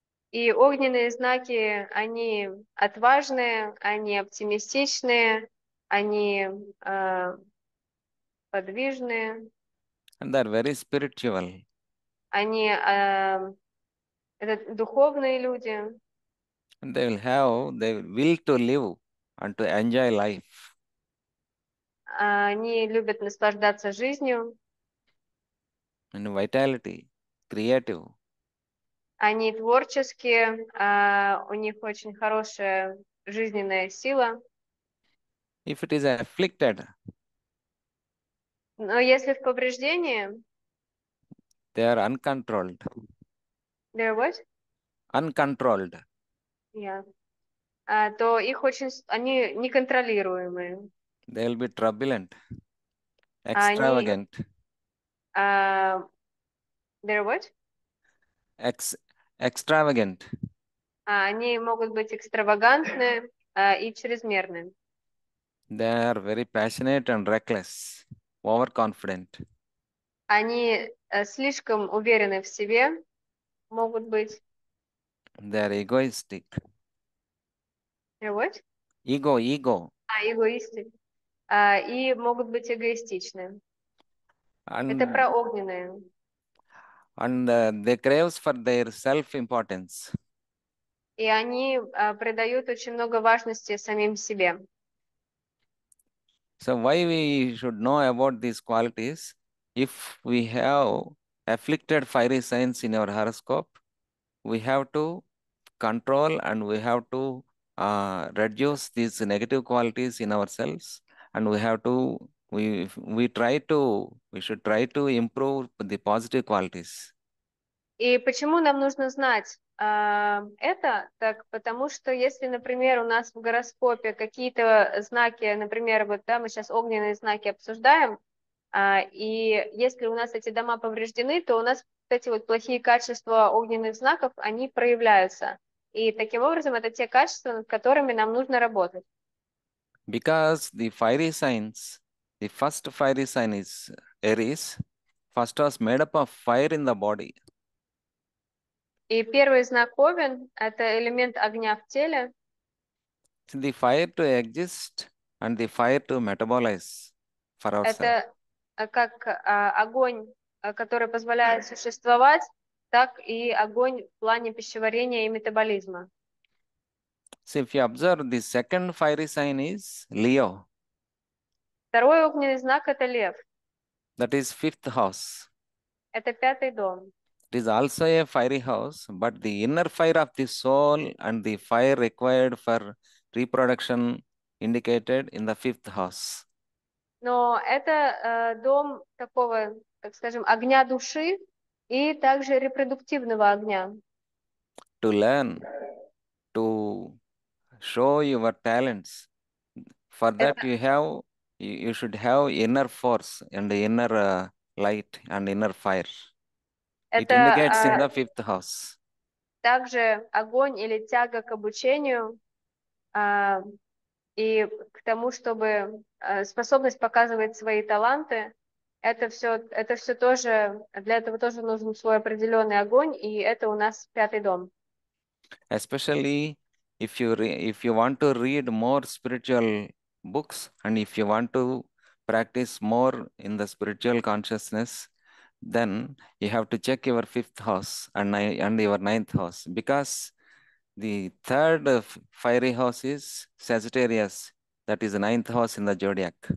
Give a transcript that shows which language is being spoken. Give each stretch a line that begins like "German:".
Russian: И огненные знаки, они отважные, они оптимистичные, они подвижные.
English: And they are very spiritual.
Russian: Они это духовные люди.
English: And they will have the will to live and to enjoy life.
Russian: Они любят наслаждаться жизнью.
English: And vitality, creative.
Russian: Они творческие, у них очень хорошая жизненная сила.
English: If it is afflicted,
Russian: Но если в повреждении,
English: they are uncontrolled. They're what? Uncontrolled.
Russian: То их очень, они неконтролируемые.
English: They'll be turbulent, extravagant. They're what? Extravagant.
Russian: Они могут быть экстравагантны и чрезмерны.
English: They are very passionate and reckless, overconfident.
Russian: Они слишком уверены в себе могут быть.
English: They are egoistic. They're what? Ego, ego.
Russian: Эгоисты. И могут быть эгоистичны. Это про огненные.
English: And they crave for their self-importance.
Russian: И они придают очень много важности самим себе.
English: So why we should know about these qualities? If we have afflicted fiery signs in our horoscope, we have to control and we have to reduce these negative qualities in ourselves, and we should try to improve the positive qualities.
Russian: И почему нам нужно знать это? Так, потому что если, например, у нас в гороскопе какие-то знаки, например, вот да, мы сейчас огненные знаки обсуждаем, и если у нас эти дома повреждены, то у нас вот эти вот плохие качества огненных знаков, они проявляются. И таким образом это те качества, над которыми нам нужно работать.
English: Because the fiery signs, the first fiery sign is Aries, first was made up of fire in the body.
Russian: И первый знак Овен – это элемент огня в теле.
English: The fire to exist and the fire to metabolize for ourselves.
Russian: Это как огонь, который позволяет существовать, так и огонь в плане пищеварения и метаболизма.
English: So if you observe, the second fiery sign is Leo.
Russian: Второй огненный знак – это Лев.
English: That is fifth house.
Russian: Это пятый дом.
English: It is also a fiery house, but the inner fire of the soul and the fire required for reproduction indicated in the fifth house.
Russian: Но это дом такого, так скажем, огня души и также репродуктивного огня.
English: To learn, to show your talents. For that you have You should have inner force and inner light and inner fire. It
Russian: Это
English: indicates in the fifth house.
Russian: также огонь или тяга к обучению и к тому, чтобы способность показывать свои таланты. Это все тоже, для этого тоже нужен свой определенный огонь, и это у нас пятый дом.
English: Especially if you want to read more spiritual books and if you want to practice more in the spiritual consciousness, then you have to check your fifth house and your ninth house, because the third fiery house is Sagittarius, that is the ninth house in the zodiac.